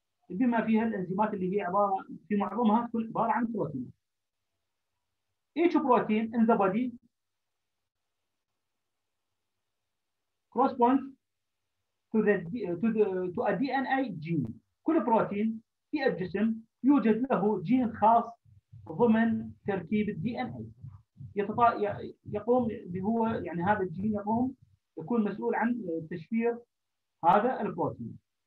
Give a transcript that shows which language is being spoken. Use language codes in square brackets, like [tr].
[ar] بما فيها الانزيمات اللي هي عباره في معظمها تكون عباره عن بروتين. [en] Each protein in the body corresponds to a DNA gene. [ar] كل بروتين في الجسم يوجد له جين خاص ضمن تركيب الدي ان اي يقوم بهو يعني هذا الجين يقوم يكون مسؤول عن تشفير هذا البروتين.